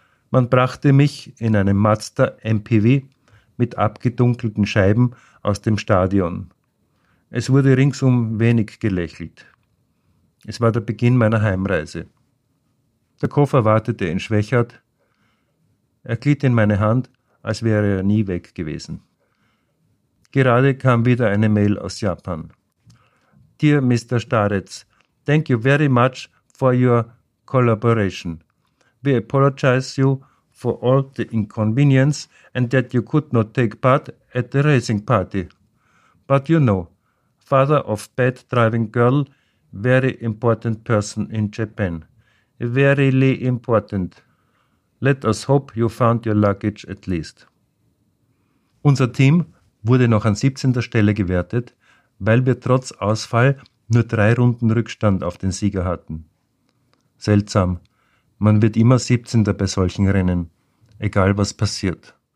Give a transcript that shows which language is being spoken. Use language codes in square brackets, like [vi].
[de] Man brachte mich in einem Mazda MPV mit abgedunkelten Scheiben aus dem Stadion. Es wurde ringsum wenig gelächelt. Es war der Beginn meiner Heimreise. Der Koffer wartete in Schwechat. Er glitt in meine Hand, als wäre er nie weg gewesen. Gerade kam wieder eine Mail aus Japan. [en] Dear Mr. Staretz, thank you very much for your collaboration. We apologize you for all the inconvenience and that you could not take part at the racing party. But you know, father of bad driving girl, very important person in Japan. Very important. Let us hope you found your luggage at least. [de] Unser Team wurde noch an 17. Stelle gewertet, weil wir trotz Ausfall nur 3 Runden Rückstand auf den Sieger hatten. Seltsam, man wird immer 17. bei solchen Rennen, egal was passiert.